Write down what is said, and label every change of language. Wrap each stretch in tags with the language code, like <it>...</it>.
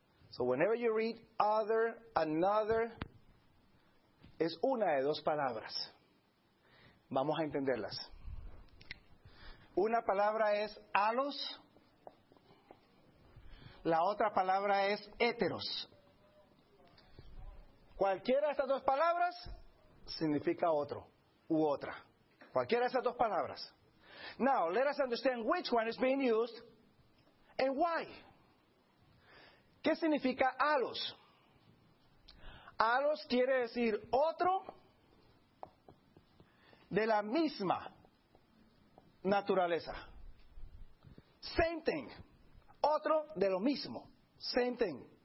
<en>So whenever you read other, another,</en> <es>es una de dos palabras. Vamos a entenderlas. Una palabra es alos. La otra palabra es heteros. Cualquiera de estas dos palabras significa otro. U otra. Cualquiera de esas dos palabras.</es> <en>Now, let us understand which one is being used and why.</en> <es>¿Qué significa alos? Alos quiere decir otro de la misma naturaleza.</es> <en>Same thing.</en> <es>Otro de lo mismo. Same thing.</es>